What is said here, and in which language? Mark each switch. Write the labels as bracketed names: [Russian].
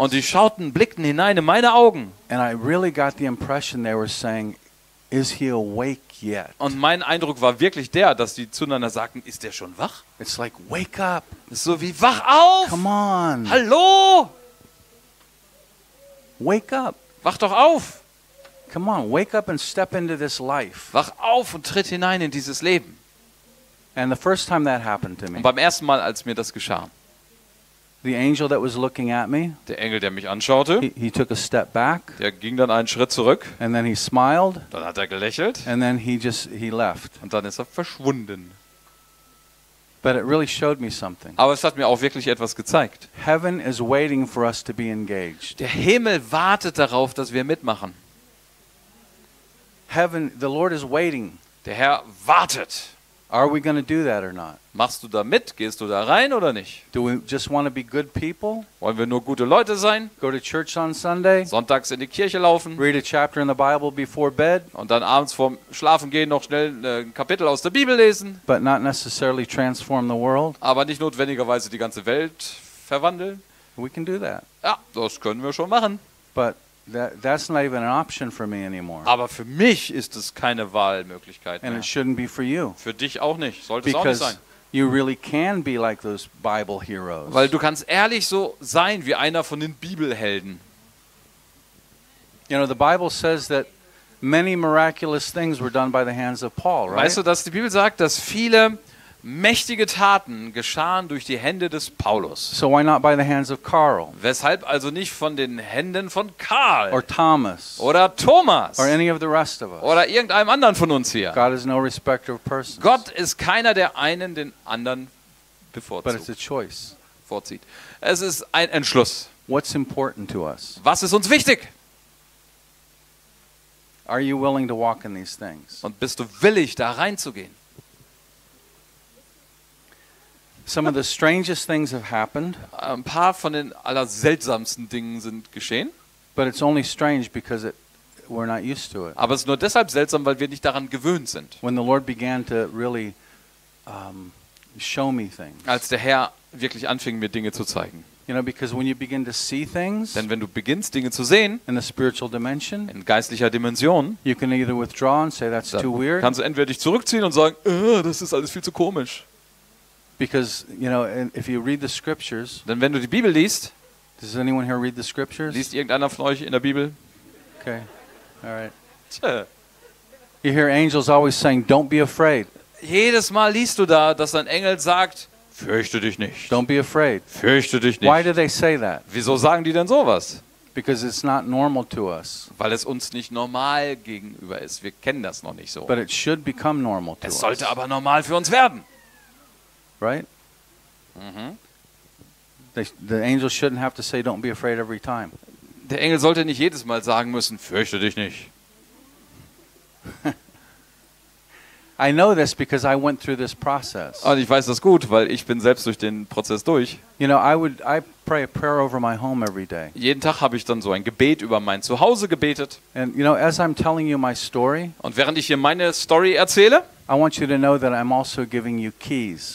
[German] und die schauten, blickten hinein in meine Augen. [English] And I really got the impression they were saying, is he awake yet? [German] Und mein Eindruck war wirklich der, dass die zueinander sagten, ist er schon wach? [English] It's like, wake up. [German] So wie, wach auf. [English] Come on. [German] Hallo. [English] Wake up. [German] Wach doch auf. [English] Come on, wake up and step into this life. [German] Wach auf und tritt hinein in dieses Leben. [English] And the first time that happened to me. [German] Und beim ersten Mal, als mir das geschah. [English] The angel that was looking at me. [German] Der Engel, der mich anschaute. [English] He took a step back. [German] Der ging dann einen Schritt zurück. [English] And then he smiled. [German] Dann hat er gelächelt. [English] And then he left. [German] Und dann ist er verschwunden. [English] But it really showed me something. [German] Aber es hat mir auch wirklich etwas gezeigt. [English] Heaven is waiting for us to be engaged. [German] Der Himmel wartet darauf, dass wir mitmachen. [English] Heaven, the Lord is waiting. [German] Der Herr wartet [English] Are we going to do that or not? [German] Machst du da mit? Gehst du da rein oder nicht? [English] Do we just want to be good people? [German] Wollen wir nur gute Leute sein? [English] Go to church on Sunday? [German] Sonntags in die Kirche laufen? [English] Read a chapter in the Bible before bed? [German] Und dann abends vorm Schlafen gehen noch schnell ein Kapitel aus der Bibel lesen? [English] But not necessarily transform the world? [German] Aber nicht notwendigerweise die ganze Welt verwandeln? [English] We can do that. [German] Ja, das können wir schon machen. [English] But that's not even an option for me anymore. [German] Aber für mich ist es keine Wahlmöglichkeit mehr. [English] And it shouldn't be for you. [German] Für dich auch nicht. Sollte es auch nicht sein. [English] Because you really can be like those Bible heroes. [German] Weil du kannst ehrlich so sein wie einer von den Bibelhelden. [English] You know, the Bible says that many miraculous things were done by the hands of Paul, right? [German] Weißt du, dass die Bibel sagt, dass viele mächtige Taten geschahen durch die Hände des Paulus. [English] So why not by the hands of Carl? [German] Weshalb also nicht von den Händen von Karl? [English] Or Thomas? [German] Oder Thomas? [English] Or any of the rest of us? [German] Oder irgendeinem anderen von uns hier? [English] God is no respecter of persons. [German] Gott ist keiner, der einen den anderen bevorzugt. [English] But it's a choice. [German] Vorzieht. Es ist ein Entschluss. [English] What's important to us? [German] Was ist uns wichtig? [English] Are you willing to walk in these things? [German] Und bist du willig, da reinzugehen? [English] Some of the strangest things have happened. [German] Ein paar von den allerseltsamsten Dingen sind geschehen. [English] But it's only strange because we're not used to it. [German] Aber es ist nur deshalb seltsam, weil wir nicht daran gewöhnt sind. [English] When the Lord began to really show me things. [German] Als der Herr wirklich anfing, mir Dinge zu zeigen. [English] You know, because when you begin to see things, [German] denn wenn du beginnst, Dinge zu sehen, [English] in a spiritual dimension, [German] in geistlicher Dimension, [English] you can either withdraw and say that's too weird. [German] Kannst du entweder dich zurückziehen und sagen, das ist alles viel zu komisch. [English] Because you know, if you read the scriptures, [German] dann wenn du die Bibel liest, [English] does anyone here read the scriptures? [German] Liest irgendeiner von euch in der Bibel? [English] Okay, all right. You hear angels always saying, "Don't be afraid." [German] Jedes Mal liest du da, dass ein Engel sagt, "Fürchte dich nicht." [English] Don't be afraid. [German] Fürchte dich nicht. [English] Why do they say that? [German] Wieso sagen die denn sowas? [English] Because it's not normal to us. [German] Weil es uns nicht normal gegenüber ist. Wir kennen das noch nicht so. [English] But it should become normal to us. [German] Es sollte aber normal für uns werden. [English] Right? Mm-hmm. The angel shouldn't have to say don't be afraid every time. [German] Der Engel sollte nicht jedes Mal sagen müssen, fürchte dich nicht. [English] I know this because I went through this process. [German] Und ich weiß das gut, weil ich bin selbst durch den Prozess durch. [English] You know, I pray a prayer over my home every day. [German] Jeden Tag habe ich dann so ein Gebet über mein Zuhause gebetet. [English] And you know, as I'm telling you my story, [German] und während ich hier meine Story erzähle, [English] I want you to know that I'm also giving you keys.